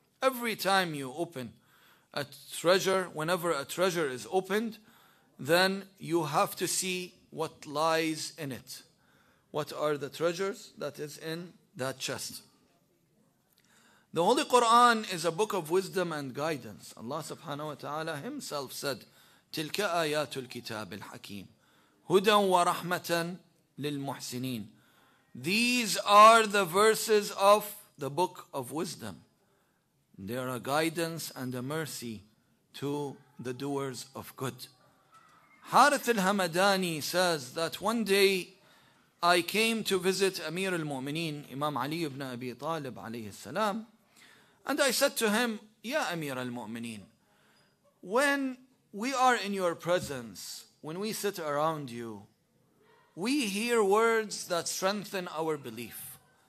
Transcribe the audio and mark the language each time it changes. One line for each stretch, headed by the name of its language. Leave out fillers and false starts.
English: Every time you open a treasure, whenever a treasure is opened, then you have to see what lies in it. What are the treasures that is in that chest? The Holy Quran is a book of wisdom and guidance.
Arabic: Allah subhanahu wa ta'ala
English: himself said,
Arabic: تِلْكَ آيَاتُ الْكِتَابِ الْحَكِيمِ هُدًى وَرَحْمَةً لِلْمُحْسِنِينَ.
English: These are the verses of the book of wisdom. They are a guidance and a mercy to the doers of good. Harith al-Hamadani says that one day I came to visit Amir al-Mu'mineen, Imam Ali ibn Abi Talib alayhi salam, and I said to him, Ya Amir al-Mu'mineen, when we are in your presence, when we sit around you, we hear words that strengthen our belief.